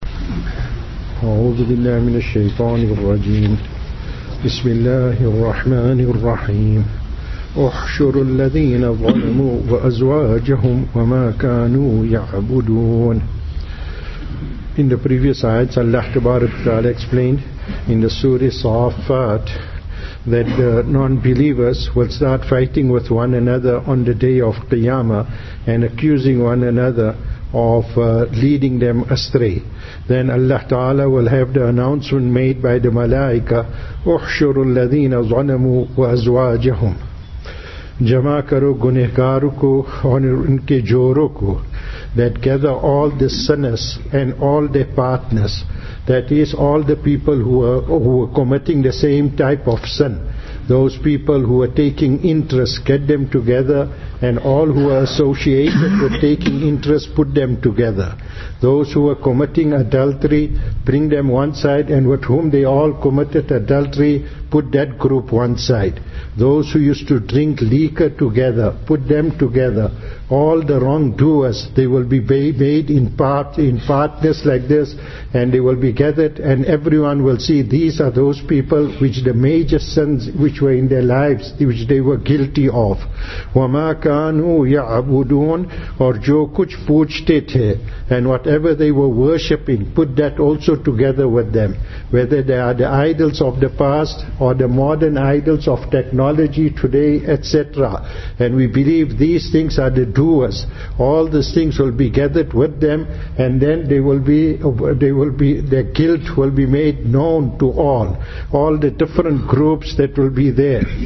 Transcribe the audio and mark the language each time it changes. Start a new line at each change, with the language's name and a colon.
Arabic: أعوذ بالله من الشيطان الرجيم. بسم الله الرحمن الرحيم. احشر الذين ظلموا وأزواجهم وما كانوا يعبدون.
English: In the previous ayats, Allah Ta'ala explained in the Surah Saffat that the non-believers will start fighting with one another on the day of Qiyamah and accusing one another of leading them astray. Then Allah Ta'ala will have the announcement made by the Malaika,
Arabic: احشر الذين ظلموا وأزواجهم.
Urdu: جمع کرو گنہگاروں کو اور ان کے جوروں کو.
English: That gather all the sinners and all their partners. That is all the people who are committing the same type of sin. Those people who are taking interest, get them together, and all who are associated with taking interest, put them together. Those who are committing adultery, bring them one side, and with whom they all committed adultery, put that group one side. Those who used to drink liquor together, put them together. All the wrongdoers, they will be made in partners like this, and they will be gathered, and everyone will see these are those people which the major sins which were in their lives, which they were guilty of.
Arabic: وَمَا كَانُوا يَعْبُدُونَ
Urdu: اور جو کچھ پوچھتے تھے.
English: And whatever they were worshipping, put that also together with them. Whether they are the idols of the past or the modern idols of technology today, etc. And we believe these things are the doers. All these things will be gathered with them, and then they will be, their guilt will be made known to all the different groups that will be there.